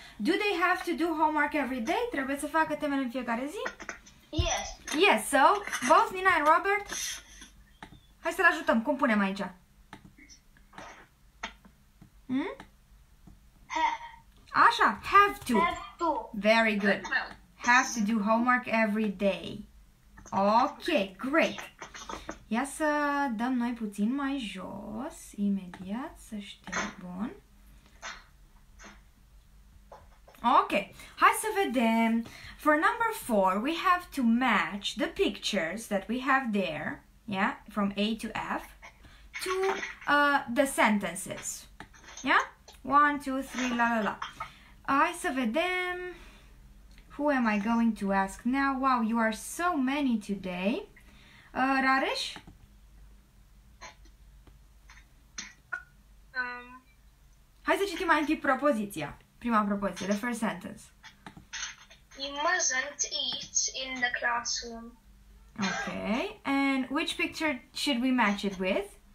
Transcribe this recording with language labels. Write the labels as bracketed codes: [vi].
[en] Do they have to do homework every day? [ro] Trebuie să facă temele în fiecare zi? [en] Yes. Yes, so both Nina and Robert. [ro] Hai să-l ajutăm. Cum punem aici? [en] Așa, have to. Have to. Very good. Well. Have to do homework every day. Okay, great. [ro] Ia să dăm noi puțin mai jos, imediat, să știu, bun. Ok, hai să vedem. [en] For number 4, we have to match the pictures that we have there, yeah, from A to F, to the sentences, yeah? [ro] 1, 2, 3, la la la. Hai să vedem. [en] Who am I going to ask now? Wow, you are so many today. Rareș? [ro] Hai să citim mai întâi propoziția. Prima propoziție, [en] the first sentence. You mustn't eat in the classroom. Okay, and which picture should we match it with?